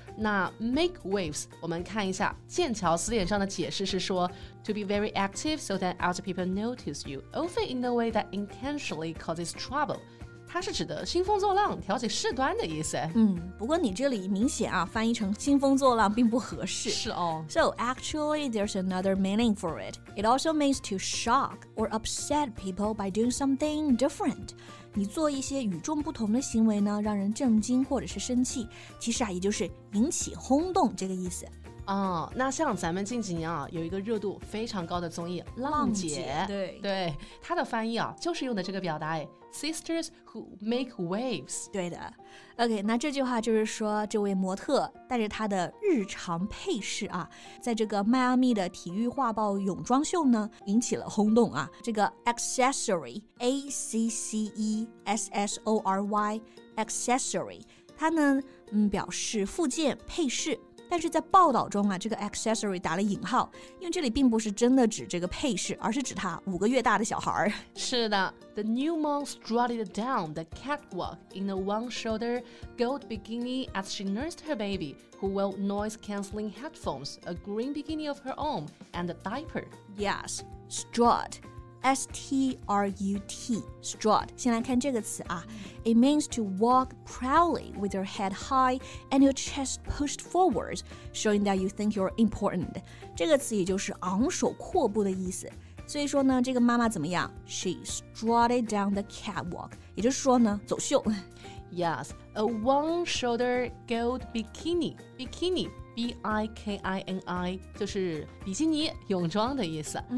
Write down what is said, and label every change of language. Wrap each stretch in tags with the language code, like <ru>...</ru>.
<en>那 make waves,</en> <zh>我们看一下剑桥词典上的解释是说</zh> <en>to be very active so that other people notice you, often in a way that intentionally causes trouble.</en> <zh>它是指的兴风作浪挑起事端的意思嗯不过你这里明显啊翻译成兴风作浪并不合适是哦</zh> <en>So actually there's another meaning for it It also means to shock or upset people by doing something different</en> <zh>你做一些与众不同的行为呢让人震惊或者是生气其实啊也就是引起轰动这个意思哦，那像咱们近几年啊，有一个热度非常高的综艺《 浪姐》，对，它的翻译啊，就是用的这个表达 ，</zh> <en>Sisters who make waves。</en> <zh>对的 ，OK， 那这句话就是说，这位模特带着她的日常配饰啊，在这个迈阿密的体育画报泳装秀呢，引起了轰动啊。这个 accessory， A C C E S S O R Y， accessory， 它呢，表示附件、配饰。但是在报道中啊，这个 accessory 打了引号，因为这里并不是真的指这个配饰，而是指他五个月大的小孩。</zh> <en>是的， The new mom strutted down the catwalk in a one-shoulder gold bikini as she nursed her baby, who wore noise-canceling headphones, a green bikini of her own, and a diaper. Yes, strut, S-T-R-U-T, strut.</en> <zh>先来看这个词啊。</zh> <en>It means to walk proudly with your head high and your chest pushed forward, showing that you think you're important.</en> <zh>这个词也就是昂首阔步的意思。所以说呢，这个妈妈怎么样？</zh> <en>She strutted down the catwalk.</en> <zh>也就是说呢，走秀。</zh> <en>Yes, a one-shoulder gold bikini.</en> <zh>Bikini, B-I-K-I-N-I, 就是比基尼泳装的意思。</zh>